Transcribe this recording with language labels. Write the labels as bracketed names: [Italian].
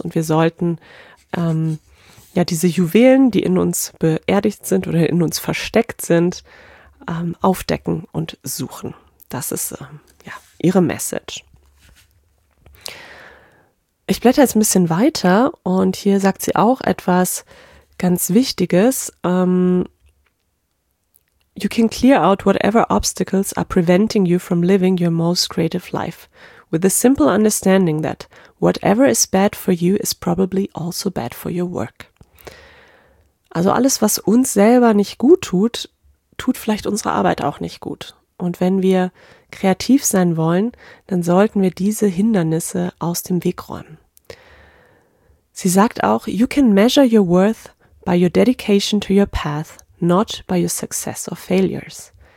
[German] Und wir sollten ja diese Juwelen, die in uns beerdigt sind oder in uns versteckt sind, aufdecken und suchen. Das ist ja ihre Message. Ich blätter jetzt ein bisschen weiter und hier sagt sie auch etwas ganz Wichtiges. [English] You can clear out whatever obstacles are preventing you from living your most creative life with the simple understanding that whatever is bad for you is probably also bad for your work. [German] Also alles, was uns selber nicht gut tut, tut vielleicht unsere Arbeit auch nicht gut. Und wenn wir kreativ sein wollen, dann sollten wir diese Hindernisse aus dem Weg räumen. Sie sagt auch, [English] you can measure your worth by your dedication to your path, not by your success or failures.